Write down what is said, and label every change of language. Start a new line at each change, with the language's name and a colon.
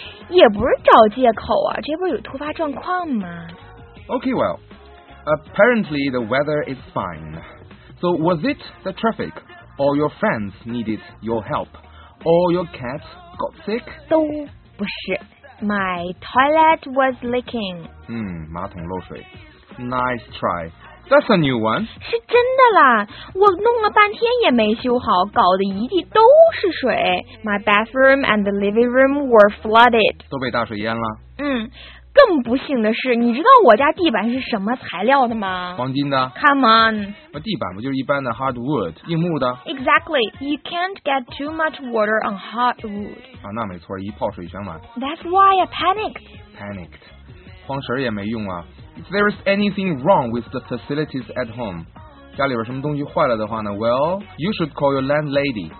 Chinese: 也不是找借口啊，这不是有突发状况吗
English: ？Okay, well, apparently the weather is fine. So was it the traffic, or your friends needed your help, or your cat got sick?
Chinese: 都不是
English: My toilet was leaking.
Chinese: 马桶漏水
English: Nice try. That's a new one.
Chinese: 是真的啦，我弄了半天也没修好，搞得一地都是水
English: My bathroom and the living room were flooded.
Chinese: 都被大水淹了。更不幸的是，你知道我家地板是什么材料的吗？黄金的。
English: Come on。
Chinese: 那地板不就是一般的 hardwood 硬木的
English: ？Exactly. You can't get too much water on hardwood.
Chinese: 啊，那没错，一泡水全满。
English: That's why I panicked.
Chinese: Panicked， 慌神也没用啊。
English: If there is anything wrong with the facilities at home，
Chinese: 家里边什么东西坏了的话呢
English: ？Well， you should call your landlady.